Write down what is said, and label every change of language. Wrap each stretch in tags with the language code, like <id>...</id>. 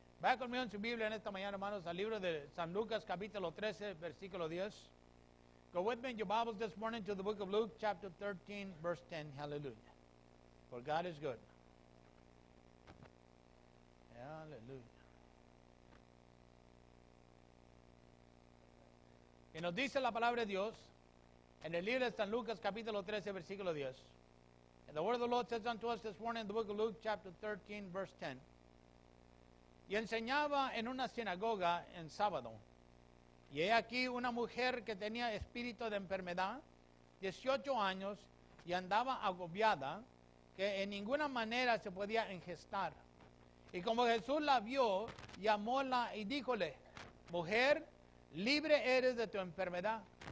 <es>Vaya conmigo en su Biblia en esta mañana, hermanos, al libro de San Lucas, capítulo 13, versículo 10.</es> <en>Go with me in your Bibles this morning to the book of Luke, chapter 13, verse 10. Hallelujah. For God is good. Hallelujah.</en> <es>Y nos dice la palabra de Dios en el libro de San Lucas, capítulo 13, versículo 10.</es> <en>And the word of the Lord says unto us this morning in the book of Luke, chapter 13, verse 10.</en> <es>Y enseñaba en una sinagoga en sábado. Y he aquí una mujer que tenía espíritu de enfermedad, 18 años, y andaba agobiada, que en ninguna manera se podía engestar. Y como Jesús la vio, llamóla y díjole, mujer, libre eres de tu enfermedad.</es>